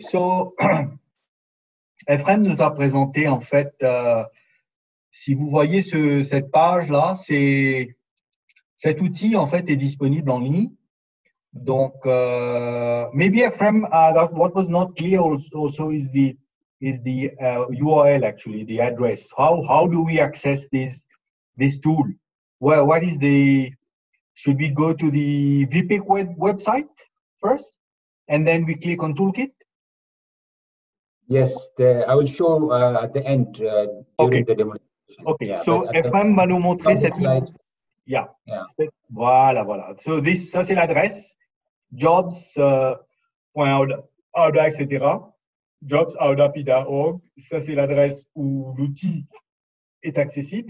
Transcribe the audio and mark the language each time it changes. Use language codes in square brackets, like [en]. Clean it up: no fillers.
[fr] So Efrem nous a présenté, en fait, si vous voyez cette page-là, cet outil, en fait, est disponible en ligne. [en] Donc, maybe Efrem, what was not clear also is the URL, actually, the address. How do we access this tool? Well, what is the, should we go to the VPIC website first, and then we click on toolkit? Yes, I will show at the end during the demonstration. [fr] Okay, yeah, so Efrem va nous montrer cette slide. [en] Yeah. Yeah. [fr] Voilà. [en] So this, [fr] ça c'est l'adresse. Jobs.org, etc. jobsaudapi.org. Ça, c'est l'adresse où l'outil est accessible.